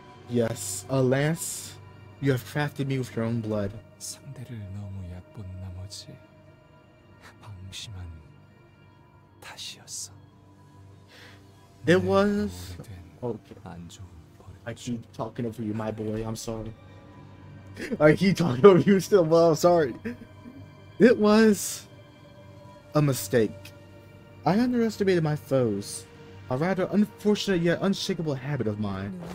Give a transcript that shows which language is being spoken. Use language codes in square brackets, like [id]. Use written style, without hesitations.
[en] Yes, alas, you have crafted me with your own blood. [ko] 상대를 너무 약본 나머지 방심한 탓이었어. [en] It was okay. [ko] 안 좋은 [en] I keep talking over you, my boy. I'm sorry. I keep talking over you still, but I'm sorry. It was a mistake. I underestimated my foes. A rather unfortunate yet unshakable habit of mine.